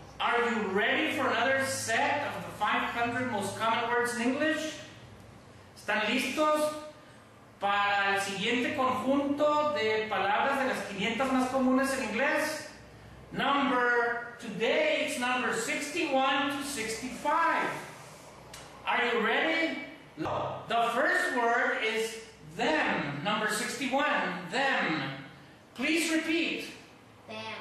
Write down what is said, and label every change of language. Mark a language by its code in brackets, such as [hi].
[en] Are you ready for another set of the 500 most common words in English? [es] ¿Están listos para el siguiente conjunto de palabras de las 500 más comunes en inglés? [en] Number, today it's number 61 to 65. Are you ready? No. The first word is them, number 61, them. Please repeat. Them.